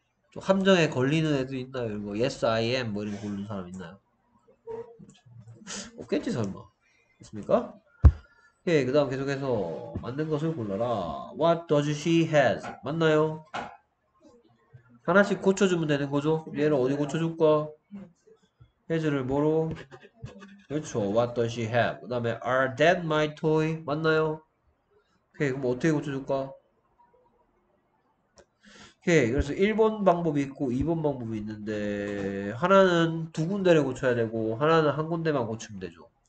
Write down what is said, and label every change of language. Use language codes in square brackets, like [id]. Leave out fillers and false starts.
[ko] 좀 함정에 걸리는 애도 있나요? 뭐 Yes, I am 뭐 이런 거 고르는 사람 있나요? 없겠지 설마. 있습니까? 오케이, 그 다음 계속해서 맞는 것을 골라라. [en] What does she has? 맞나요? [ko] 하나씩 고쳐주면 되는 거죠? 얘를 어디 고쳐줄까? has를 뭐로? 그렇죠. [en] What does she have? 그 다음에 are that my toy? [ko] 맞나요? 오케이, 그럼 어떻게 고쳐줄까? 오케이, 그래서 1번 방법이 있고 2번 방법이 있는데 하나는 두 군데를 고쳐야 되고 하나는 한 군데만 고치면 되죠.